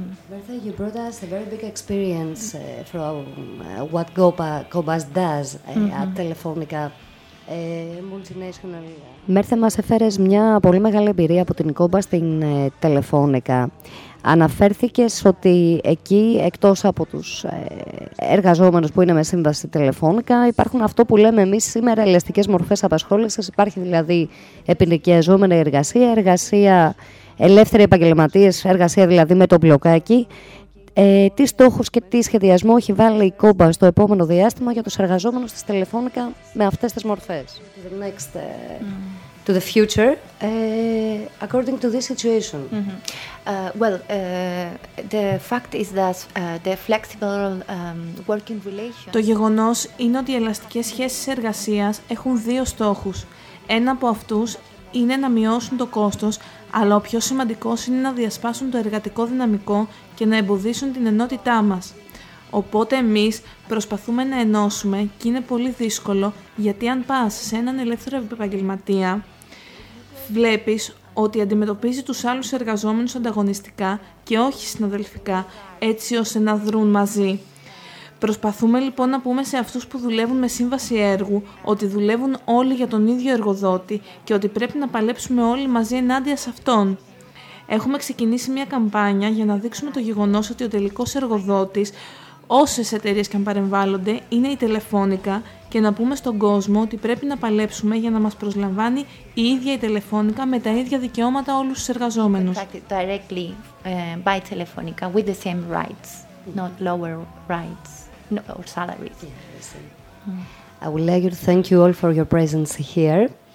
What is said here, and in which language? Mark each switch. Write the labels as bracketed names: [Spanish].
[English] Bertha, you brought us a very big experience from what Cobas does at Telefonica, multinational. [Greek] Μέρθε, μας έφερες μια πολύ μεγάλη εμπειρία από την Cobas στην Telefonica. Αναφέρθηκες ότι εκεί, εκτός από τους εργαζόμενους που είναι με σύμβαση Telefonica, υπάρχουν αυτό που λέμε εμείς σήμερα ελαστικές μορφές απασχόλησης. Υπάρχει δηλαδή επινοικιαζόμενη εργασία, εργασία ελεύθερη επαγγελματίες, εργασία δηλαδή με το μπλοκάκι. Τι στόχους και τι σχεδιασμό έχει βάλει η Κόμπα στο επόμενο διάστημα για τους εργαζόμενους της Telefonica με αυτές τις μορφές? [English] To the next, to the future, according to this situation. The fact is that the flexible working relations... [Greek] Το γεγονός είναι ότι οι ελαστικές σχέσεις εργασίας έχουν δύο στόχους. Ένα από αυτούς είναι να μειώσουν το κόστος, αλλά ο πιο σημαντικός είναι να διασπάσουν το εργατικό δυναμικό και να εμποδίσουν την ενότητά μας. Οπότε εμείς προσπαθούμε να ενώσουμε, και είναι πολύ δύσκολο, γιατί αν πας σε έναν ελεύθερο επαγγελματία, βλέπεις ότι αντιμετωπίζει τους άλλους εργαζόμενους ανταγωνιστικά και όχι συναδελφικά, έτσι ώστε να δρουν μαζί. Προσπαθούμε λοιπόν να πούμε σε αυτούς που δουλεύουν με σύμβαση έργου ότι δουλεύουν όλοι για τον ίδιο εργοδότη και ότι πρέπει να παλέψουμε όλοι μαζί ενάντια σε αυτόν. Έχουμε ξεκινήσει μια καμπάνια για να δείξουμε το γεγονός ότι ο τελικός εργοδότης, όσες εταιρείες και αν παρεμβάλλονται, είναι η Telefonica, και να πούμε στον κόσμο ότι πρέπει να παλέψουμε για να μας προσλαμβάνει η ίδια η Telefonica με τα ίδια δικαιώματα όλους τους εργαζόμενους. [English] Directly by Telefonica with the same rights, not lower rights or salaries. I would like to thank you all for your presence here.